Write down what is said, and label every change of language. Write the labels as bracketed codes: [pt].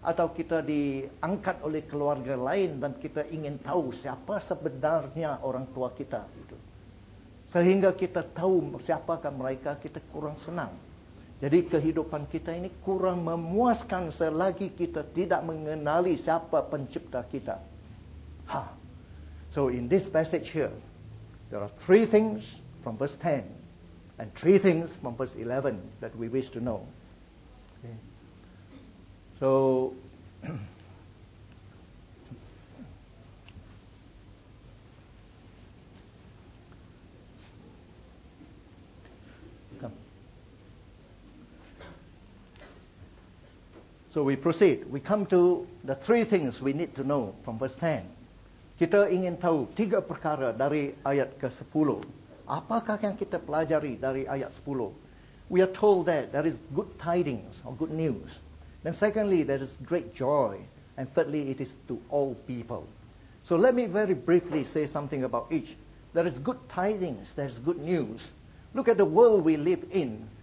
[ms] Atau kita diangkat oleh keluarga lain dan kita ingin tahu siapa sebenarnya orang tua kita. Sehingga kita tahu siapakah mereka, kita kurang senang. Jadi kehidupan kita ini kurang memuaskan selagi kita tidak mengenali siapa pencipta kita. Ha. [en] So in this passage here, there are three things from verse 10 and three things from verse 11 that we wish to know. Okay. So, come. So we proceed. We come to the three things we need to know from verse 10. [ms] Kita ingin tahu tiga perkara dari ayat ke-10. Apakah yang kita pelajari dari ayat 10? [en] We are told that there is good tidings or good news. Then secondly, there is great joy. And thirdly, it is to all people. So let me very briefly say something about each. There is good tidings, there is good news. Look at the world we live in.